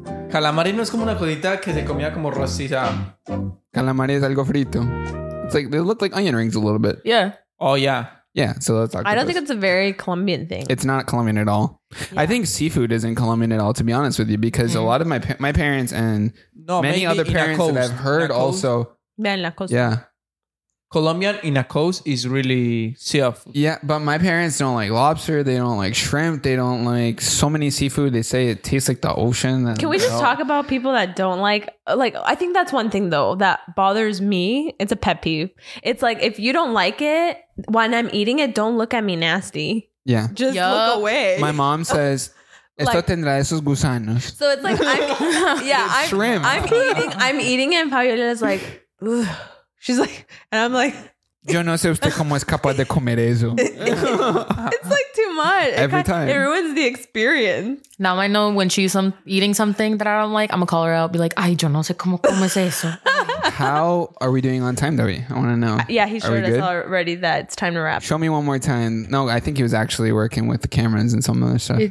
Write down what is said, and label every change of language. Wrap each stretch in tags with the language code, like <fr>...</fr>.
<es>Calamari no es como una cosita que se comía como rosita. Calamari es algo frito.</es> <en>It's like, they look like onion rings a little bit. Yeah. Oh, yeah. Yeah, so that's octopus. I don't think it's a very Colombian thing. It's not Colombian at all. Yeah. I think seafood isn't Colombian at all, to be honest with you, because a lot of my parents and many other parents that I've heard also. Yeah, in</en> <es>la costa.</es> <en>Yeah. Colombian in a coast is really seafood. Yeah, but my parents don't like lobster. They don't like shrimp. They don't like so many seafood. They say it tastes like the ocean. Can we just talk about people that don't like... Like, I think that's one thing, though, that bothers me. It's a pet peeve. It's like, if you don't like it when I'm eating it, don't look at me nasty. Yeah. Just look away. My mom says... Like,</en> <es>esto tendrá esos gusanos.</es> <en>So it's like... shrimp. I'm eating it and Fabiola is like... Ugh. She's like, and I'm like,</en> <es>yo no sé usted cómo es capaz de comer eso.</es> <en>It's like too much. Every time. It ruins the experience. Now I know when she's eating something that I don't like, I'm going to call her out. Be like,</en> <es>ay, yo no sé cómo comes eso.</es> <en>How are we doing on time, Debbie? I want to know. Yeah, he showed us already that it's time to wrap. Show me one more time. No, I think he was actually working with the cameras and some other stuff.</en>